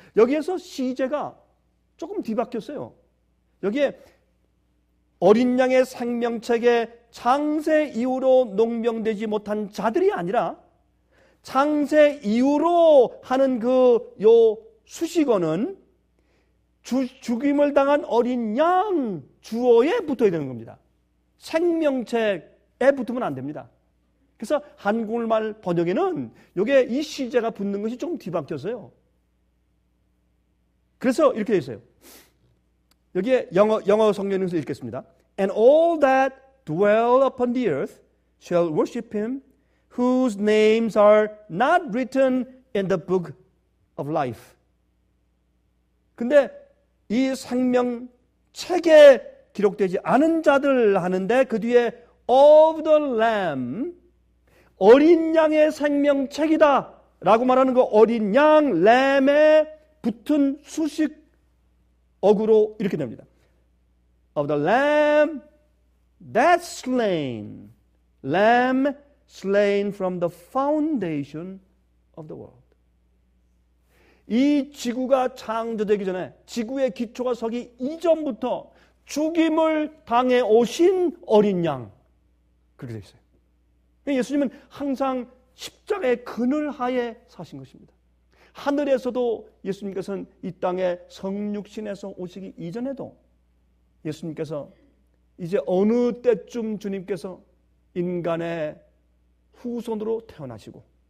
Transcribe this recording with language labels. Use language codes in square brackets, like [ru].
[ko] 여기에서 시제가 조금 뒤바뀌었어요. 여기에 어린 양의 생명책에 장세 이후로 농명되지 못한 자들이 아니라 장세 이후로 하는 그 요 수식어는 죽임을 당한 어린 양 주어에 붙어야 되는 겁니다. 생명책에 붙으면 안 됩니다. 그래서 한국말 번역에는 요게 이 시제가 붙는 것이 조금 뒤바뀌었어요. 그래서 이렇게 되어 있어요. 여기에 영어 성경에서 읽겠습니다. [en] And all that dwell upon the earth shall worship him whose names are not written in the book of life. [ko] 근데 이 생명책에 기록되지 않은 자들 하는데 그 뒤에 [en] of the lamb, [ko] 어린 양의 생명책이다 라고 말하는 거, 어린 양, lamb에 붙은 수식어구로 이렇게 됩니다. [en] of the lamb that slain, lamb slain from the foundation of the world. [ko] 이 지구가 창조되기 전에, 지구의 기초가 서기 이전부터 죽임을 당해 오신 어린 양. 그렇게 되어 있어요. 예수님은 항상 십자가의 그늘 하에 사신 것입니다. 하늘에서도 예수님께서는 이 땅에 성육신에서 오시기 이전에도 예수님께서 이제 어느 때쯤 주님께서 인간의 후손으로 태어나시고